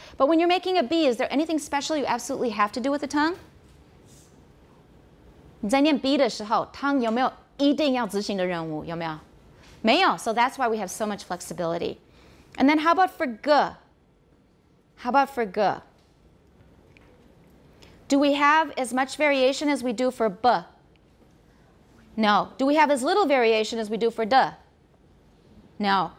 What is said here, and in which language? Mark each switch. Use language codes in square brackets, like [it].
[en] But when you're making a B, is there anything special you absolutely have to do with the tongue? [zh] 你在念B的时候, 汤有没有一定要执行的任务,有没有? 没有, [en] so that's why we have so much flexibility. And then how about for G? How about for G? Do we have as much variation as we do for B? No. Do we have as little variation as we do for D? No.